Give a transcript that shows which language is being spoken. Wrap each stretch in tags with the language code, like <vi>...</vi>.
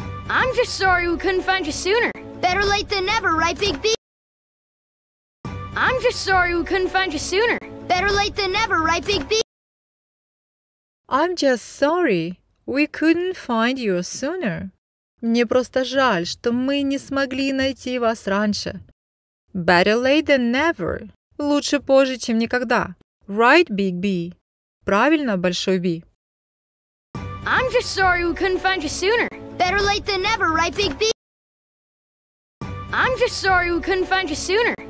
<en>I'm just sorry we couldn't find you sooner. Better late than never, right, Big B? I'm just sorry we couldn't find you sooner. Better late than never, right, Big B? I'm just sorry, we couldn't find you sooner.</en> <ru>Мне просто жаль, что мы не смогли найти вас раньше.</ru> <en>Better late than never.</en> <ru>Лучше позже, чем никогда.</ru> <en>Right, Big B?</en> <ru>Правильно, Большой B?</ru> <en>I'm just sorry we couldn't find you sooner. Better late than never, right, Big B? I'm just sorry we couldn't find you sooner.</en>